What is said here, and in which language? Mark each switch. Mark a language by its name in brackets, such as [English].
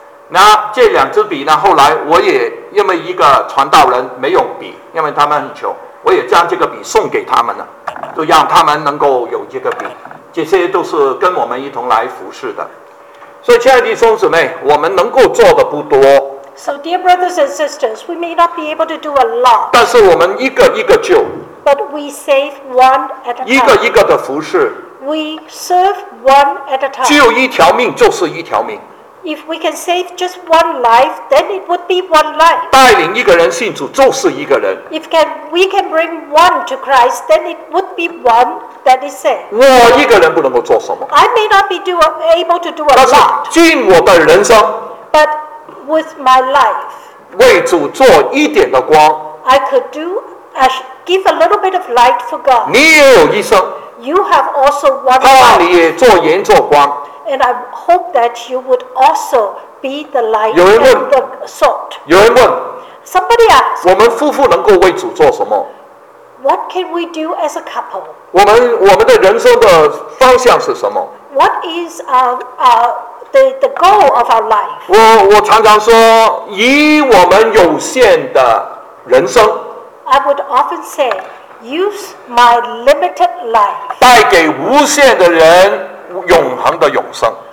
[Chinese] 那这两支笔呢，后来我也因为一个传道人没有笔，因为他们很穷，我也将这个笔送给他们了，就让他们能够有这个笔，这些都是跟我们一同来服侍的。所以亲爱的弟兄姊妹，我们能够做的不多。 [English] So dear brothers and sisters, we may not be able to do a lot. [Chinese] 但是我们一个一个救， [English] But we save one at a time. [Chinese] 一个一个的服侍， [English] We serve one at a time. [Chinese] 救一条命就是一条命， [English] If we can save just one life, then it would be one life. [Chinese] 带领一个人信主就是一个人， [English] If we can bring one to Christ, then it would be one. [Chinese] 我一个人不能够做什么， [English] I may not be able to do a lot. [Chinese] 但是尽我的人生， [English] But with my life, [Chinese] 为主做一点的光 [English] I could do, I give a little bit of light for God. [Chinese] 你也有一生 [English] You have also one life. [Chinese] 他让你也做盐做光 [English] And I hope that you would also be the light [Chinese] 有人问 [English] and the salt. [Chinese] 有人问 [English] Somebody asked, [Chinese] 我们夫妇能够为主做什么 [English] What can we do as a couple? [Chinese] 我们的人生的方向是什么 [English] What is the goal of our life. [Chinese] 我常常说以我们有限的人生 [English] I would often say use my limited life [Chinese] 带给无限的人永恒的永生